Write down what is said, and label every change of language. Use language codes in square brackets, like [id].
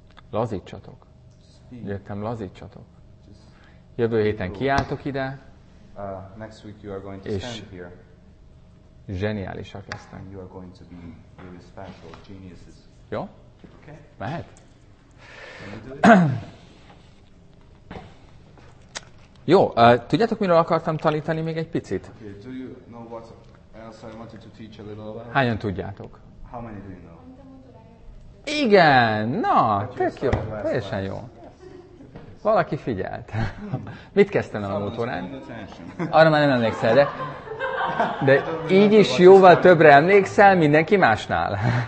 [hu] Lazítsatok. Értem, lazítsatok. Jövő héten kiálltok ide, [en] Next week you are going to stand here. [hu] Zseniálisak lesznek. [en] You are going to be really special geniuses. [hu] Jó? [en] Okay. [hu] Mehet? [en] Can you do it? [hu] Jó, tudjátok, miről akartam tanítani még egy picit? [en] Okay, do you know what else I wanted to teach a little about? [hu] Hányan tudjátok? [en] How many do you know? [hu] Igen, na, tök jó, teljesen jó. Valaki figyelt. Mit kezdtem el a motorán? Arra már nem emlékszel, de így is jóval többre emlékszel mindenki másnál.